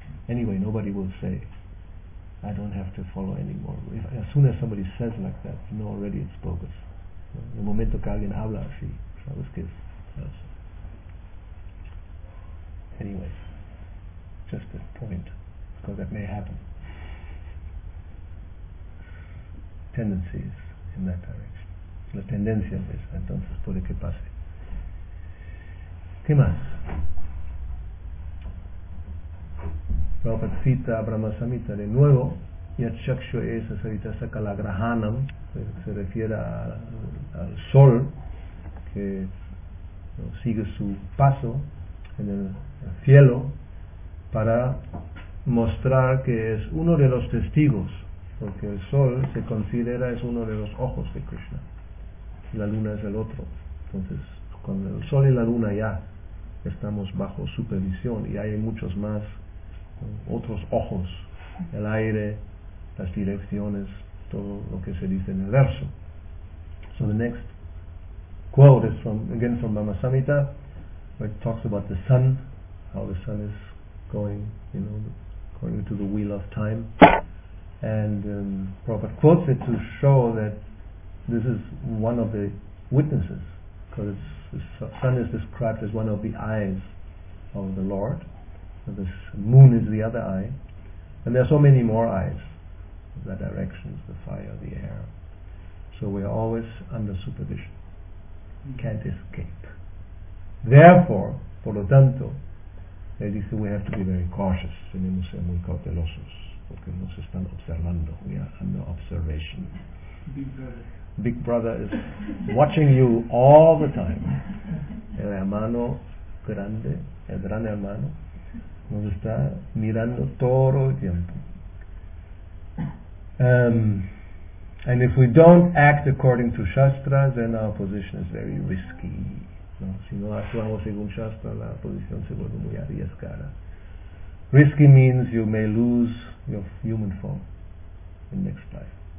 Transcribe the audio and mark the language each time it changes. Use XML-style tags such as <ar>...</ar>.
<en>Anyway, nobody will say, I don't have to follow anymore. As soon as somebody says like that, you know already it's bogus.</en> <es>En el momento que alguien habla así, sabes que es falso.</es> <en>Anyway, just a point, because that may happen. Tendencies in that direction.</en> <es>La tendencia es esa, entonces puede que pase. ¿Qué más? Prabhupada cita a Brahma Samhita de nuevo. Yachakshu es asarita sakalagrahanam, se refiere al sol que sigue su paso en el cielo para mostrar que es uno de los testigos, porque el sol se considera es uno de los ojos de Krishna, la luna es el otro. Entonces con el sol y la luna ya estamos bajo supervisión, y hay muchos más otros ojos, el aire, las direcciones, todo lo que se dice en el verso.</es> <en>So the next quote is from Brahma Samhita, where it talks about the sun, how the sun is going, according to the wheel of time. And Prabhupada quotes it to show that this is one of the witnesses, because the sun is described as one of the eyes of the Lord, and the moon is the other eye, and there are so many more eyes, the directions, the fire, the air. So we are always under supervision. Can't escape. Therefore,</en> <es>por lo tanto, él dice,</es> <en>we have to be very cautious,</en> <es>tenemos que ser muy cautelosos, porque nos están observando,</es> <en>we are under observation. Big brother is watching you all the time.</en> <es>El hermano grande, el gran hermano, nos está mirando todo el tiempo.</es> <en>And if we don't act according to Shastra, then our position is very risky.</en> <es>No, si no actuamos según Shastra, la posición se vuelve muy arriesgada.</es> <en>Risky means you may lose your human form in next life.</en>